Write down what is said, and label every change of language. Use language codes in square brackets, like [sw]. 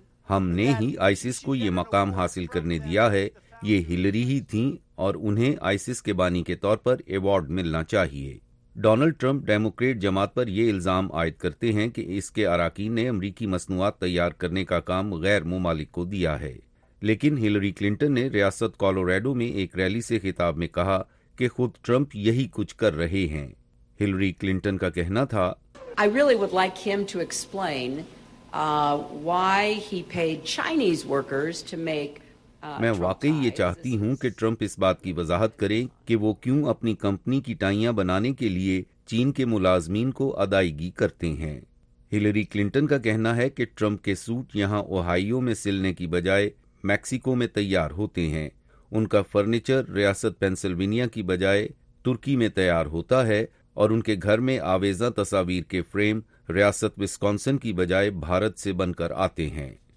[ur] ہم نے ہی آئسس کو یہ مقام حاصل کرنے دیا ہے، یہ ہلری ہی تھیں اور انہیں آئسس کے بانی کے طور پر ایوارڈ ملنا چاہیے۔ ڈونلڈ ٹرمپ ڈیموکریٹ جماعت پر یہ الزام عائد کرتے ہیں کہ اس کے اراکین نے امریکی مصنوعات تیار کرنے کا کام غیر ممالک کو دیا ہے، لیکن ہلری کلنٹن نے ریاست کالوریڈو میں ایک ریلی سے خطاب میں کہا کہ خود ٹرمپ یہی کچھ کر رہے ہیں۔ ہلری کلنٹن کا کہنا تھا، [en] I really would like him to explain why he paid Chinese workers to make [ur] میں واقعی یہ چاہتی ہوں کہ ٹرمپ اس بات کی وضاحت کریں کہ وہ کیوں اپنی کمپنی کی ٹائیاں بنانے کے لیے چین کے ملازمین کو ادائیگی کرتے ہیں۔ ہلری کلنٹن کا کہنا ہے کہ ٹرمپ کے سوٹ یہاں اوہائیو میں سلنے کی بجائے میکسیکو میں تیار ہوتے ہیں، ان کا فرنیچر ریاست پینسلوینیا کی بجائے ترکی میں تیار ہوتا ہے، اور ان کے گھر میں آویزاں تصاویر کے فریم ریاست وسکانسن کی بجائے بھارت سے بن کر آتے ہیں۔